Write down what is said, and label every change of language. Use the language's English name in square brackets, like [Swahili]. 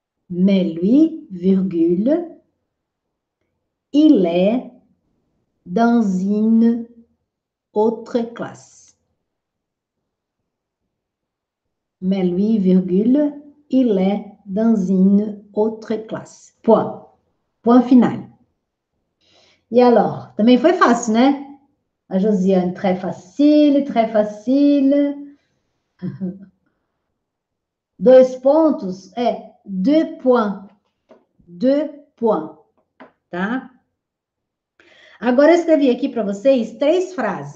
[French] Mais lui, virgule. Il est dans une autre classe. Mais lui, virgule. Il est dans une autre classe. Point. Point final. [Portuguese] E alors, também foi fácil, né? [French] A Josiane, très facile, très facile. [Portuguese] Dois pontos é [French] deux points. Deux points, [Portuguese] tá? Agora eu escrevi aqui para vocês três frases.